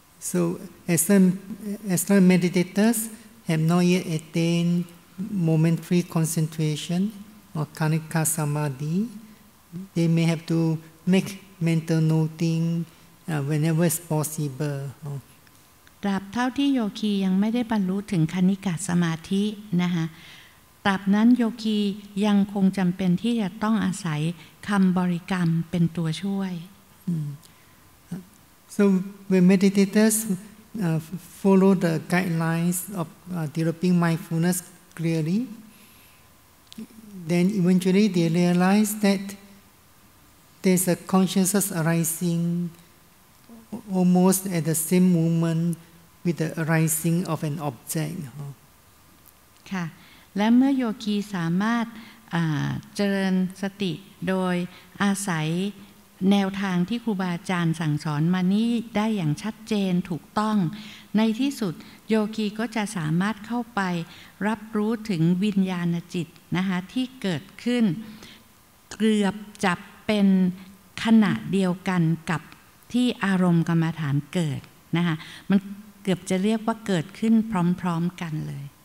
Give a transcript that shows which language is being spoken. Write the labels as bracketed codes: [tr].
[en] So as the meditators have not yet attained momentary concentration or kanika samadhi they may have to make mental noting whenever it's possible [th] ตราบเท่าที่โยคียังไม่ได้บรรลุถึงคณิกะสมาธินะคะตราบนั้นโยคียังคงจำเป็นที่จะต้องอาศัยคำบริกรรมเป็นตัวช่วย [en] So when meditators follow the guidelines of developing mindfulness clearly then eventually they realize that there's a consciousness arisingalmost at the same moment with the arising of an object [th] ค่ะและเมื่อโยคีสามารถเจริญสติโดยอาศัยแนวทางที่ครูบาอาจารย์สั่งสอนมานี้ได้อย่างชัดเจนถูกต้องในที่สุดโยคีก็จะสามารถเข้าไปรับรู้ถึงวิญญาณจิตนะคะที่เกิดขึ้นเกือบจับเป็นขณะเดียวกันกับที่อารมณ์กรรมฐานเกิดนะคะมันเกือบจะเรียกว่าเกิดขึ้นพร้อมๆกันเลย